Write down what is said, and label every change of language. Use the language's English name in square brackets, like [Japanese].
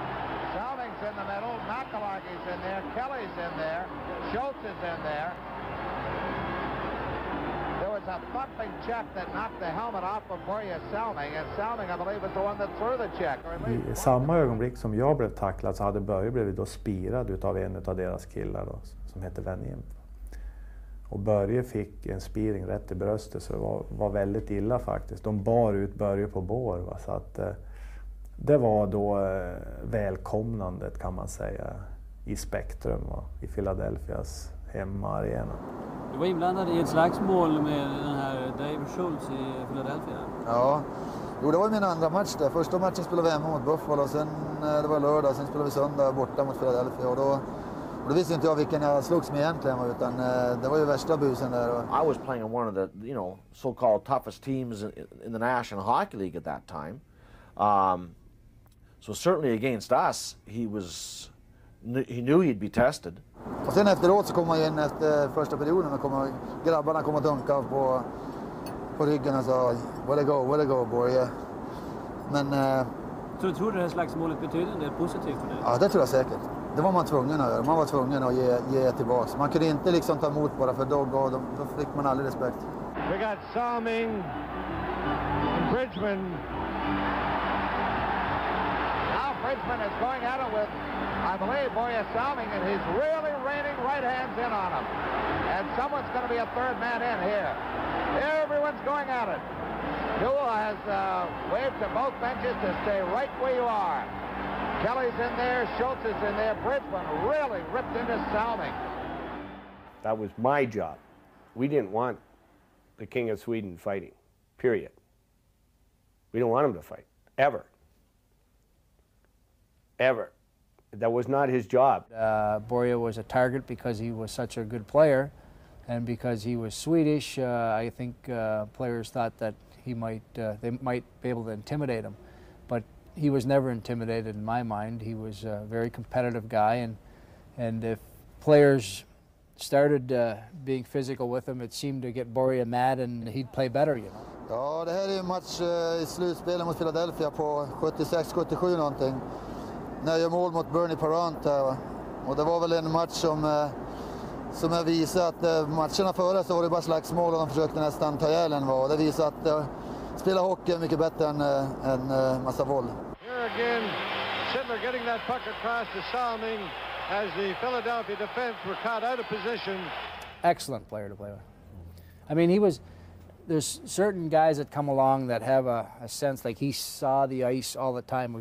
[English] Salming's in there, Kelly's in there, Schultz is in there. There was a thumping check that knocked the helmet off of Börje Salming, and Salming, I believe, was the one that threw the check. [Swedish] I samma ögonblick som jag blev tacklad så hade Börje blivit då spirad utav en utav deras killar då, som hette Venjen. Och Börje fick en spiring rätt i bröstet, så det var väldigt illa faktiskt. De bar ut Börje på bår, va? Så att det var då välkomnandet, kan man säga, i Spektrum, va? I Philadelphias hemmaarena. Du var inblandad i ett slagsmål med den här Dave Schultz i Philadelphia. Ja, jo, det var min andra match där. Första matchen spelade vi hemma mot Buffalo, och sen det var lördag, sen spelade vi söndag borta mot Philadelphia, och då... Och då visste inte jag vilken jag slogs med egentligen, utan det var ju värsta busen där. [English] I was playing in one of the, you know, so-called toughest teams in the National Hockey League at that time. So certainly against us, he knew he'd be tested. [Swedish] Och sen efteråt så kom man in efter första perioden och grabbarna kom och dunka på ryggen och sa, [English] where to go, boy. [Swedish] Men... Tror du det här slagsmålet betyder det positivt för dig? Ja, det tror jag säkert. Det var man tvungen att göra. Man var tvungen att ge tillbaka. Man kunde inte liksom ta emot bara, för då gav de, då fick man aldrig respekt. [English] We got Salming and Bridgman. Now Bridgman is going at it with, I believe, Börje Salming, and he's really raining right hands in on him. And someone's going to be a third man in here. Everyone's going at it. Newell has waved to both benches to stay right where you are. Kelly's in there, Schultz is in there, Bridgman really ripped into Salming. That was my job. We didn't want the King of Sweden fighting, period. We didn't want him to fight, ever. Ever. That was not his job. Börje was a target because he was such a good player, and because he was Swedish, I think players thought that he might they might be able to intimidate him. He was never intimidated in my mind. He was a very competitive guy, and if players started being physical with him, it seemed to get Börje mad, and he'd play better, you know. [Swedish] Ja, det här är en match i slutspelet mot Philadelphia på 76-77 någonting. När jag mål mot Bernie Parent här, va? Och det var väl en match som jag visade att matcherna före så var det bara slagsmål och de försökte nästan ta ihjäl en, va? Och det visade att spela hockey mycket bättre än en massa våld. [English] Here again, Sittler getting that puck across to Salming as the Philadelphia defense were caught out of position. Excellent player to play with. I mean, there's certain guys that come along that have a sense, like he saw the ice all the time.